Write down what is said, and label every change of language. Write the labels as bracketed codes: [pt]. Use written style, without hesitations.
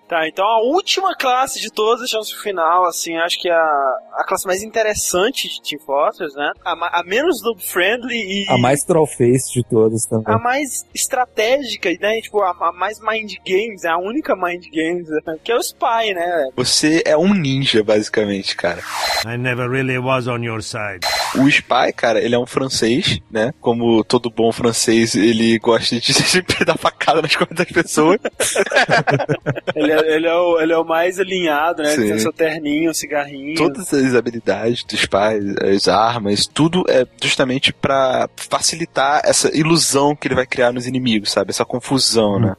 [pt] Tá, então a última classe de todas, deixamos pro final, assim, acho que é a classe mais interessante de Team Fortress, né? A menos noob friendly e... A mais troll-faced de todas também. A mais estratégica, né? Tipo, a mais mind games, né? A única mind games, né? Que é o Spy, né? Você é um ninja, basicamente, cara. [en] I never really was on your side. [pt] O Spy, cara, ele é um francês, né? Como todo bom francês, ele gosta de sempre dar facada nas costas das pessoas. Ele é o mais alinhado, né? Sim. Ele tem seu terninho, cigarrinho. Todas as habilidades dos pais, as armas, tudo é justamente pra facilitar essa ilusão que ele vai criar nos inimigos, sabe? Essa confusão, né?